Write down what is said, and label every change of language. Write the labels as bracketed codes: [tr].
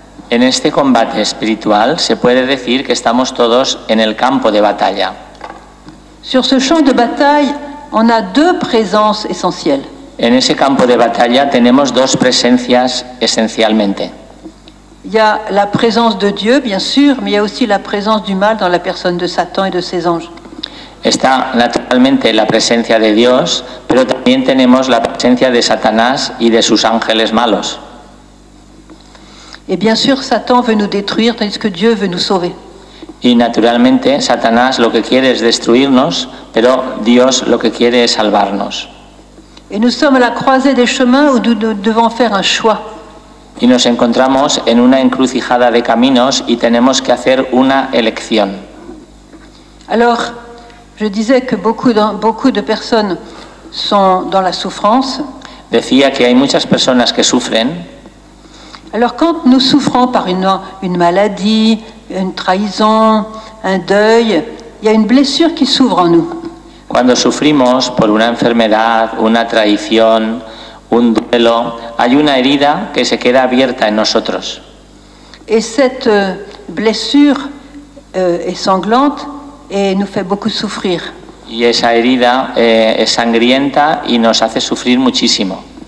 [es] En este combate espiritual se puede decir que estamos todos en el campo de batalla. [fr] Sur ce champ de bataille, on a deux présences essentielles. [es] En ese campo de batalla tenemos dos presencias esencialmente. [fr] Il y a la présence de Dieu, bien sûr, mais il y a aussi la présence du mal dans la personne de Satan et de ses anges. [es] Está naturalmente la presencia de Dios, pero también tenemos la presencia de Satanás y de sus ángeles malos. [fr] Et bien sûr, Satan veut nous détruire, tandis que Dieu veut nous sauver. [es] Y naturalmente, Satanás lo que quiere es destruirnos, pero Dios lo que quiere es salvarnos. [fr] Et nous sommes à la croisée des chemins où nous devons faire un choix. [es] Y nos encontramos en una encrucijada de caminos y tenemos que hacer una elección. [fr] Alors, je disais que beaucoup de personnes sont dans la souffrance. [es] Decía que hay muchas personas que sufren. [fr] Alors, quand nous souffrons par une maladie, une trahison, un deuil, il y a une blessure qui s'ouvre en nous. [es] Cuando sufrimos por una enfermedad, una traición, un duelo, hay una herida que se queda abierta en nosotros. [fr] Et cette blessure est sanglante et nous fait beaucoup souffrir. [es] Y esa herida es sangrienta y nos hace sufrir muchísimo.